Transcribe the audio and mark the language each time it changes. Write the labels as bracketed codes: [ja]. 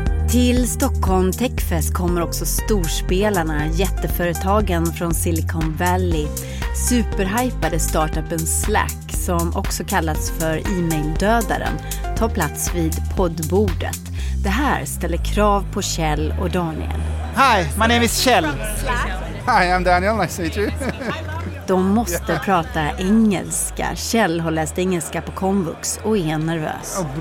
[sv] Till Stockholm Tech Fest kommer också storspelarna, jätteföretagen från Silicon Valley. Superhypade startupen Slack, som också kallats för e-maildödaren, tar plats vid poddbordet. Det här ställer krav på Kjell och Daniel. [en] Hi, my name is Kjell. Hi, I'm Daniel, nice to meet you. [sv] De måste prata engelska. Kjell har läst engelska på Komvux och är nervös.